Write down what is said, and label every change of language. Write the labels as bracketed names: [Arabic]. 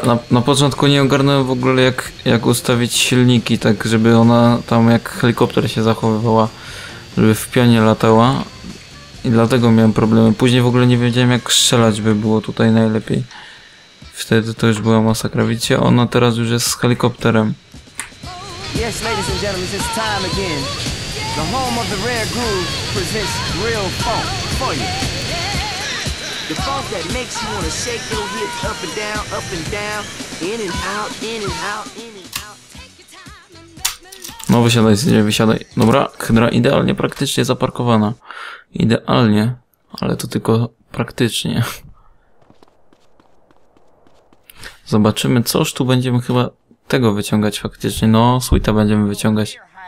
[Polish] Na początku nie ogarnąłem w ogóle jak ustawić silniki, tak żeby ona tam jak helikopter się zachowywała, żeby w pionie latała. I dlatego miałem problemy. Później w ogóle nie wiedziałem jak strzelać by było tutaj najlepiej. Wtedy to już była masakra. Widzicie, ona teraz już jest z helikopterem. [English] Yes, ladies and gentlemen, it's time again. The home of the rare groove presents real funk for you. The funk that makes you want to shake your hips up and down, in and out, in and out, in and out. [Polish] No wysiadaj, CJ, wysiadaj. Dobra, hydra idealnie praktycznie zaparkowana. Idealnie, ale to tylko praktycznie. Zobaczymy, coż tu będziemy chyba tego wyciągać faktycznie. No, Sweeta będziemy wyciągać.